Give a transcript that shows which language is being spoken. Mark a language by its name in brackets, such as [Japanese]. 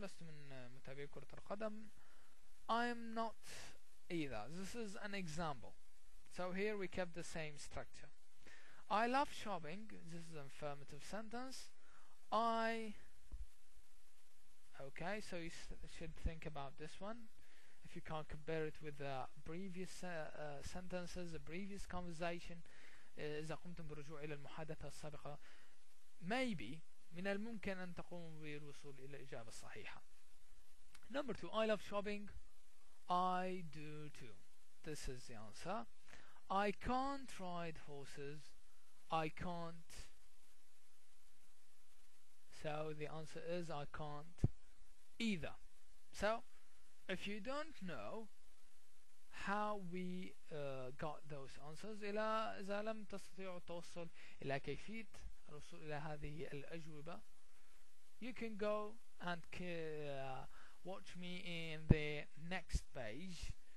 [Arabic] لست من متابعي كرة القدم. [English] I'm not either. This is an example. So here we kept the same structure. I love shopping. This is an affirmative sentence. Okay, so you should think about this one. If you can't compare it with the previous sentences, the previous conversation, [Arabic] إذا قمتم بالرجوع إلى المحادثة السابقة, [English] maybe [Arabic] من الممكن أن تقوموا بالوصول إلى الإجابة الصحيحة. [English] Number two, I love shopping. I do too. This is the answer. I can't ride horses. I can't. So the answer is I can't either. So if you don't know how we got those answers, [Arabic] إلى إذا لم تستطيع التوصل إلى كيفية الوصول إلى هذه الأجوبة, [English] you can go and watch me in the next page.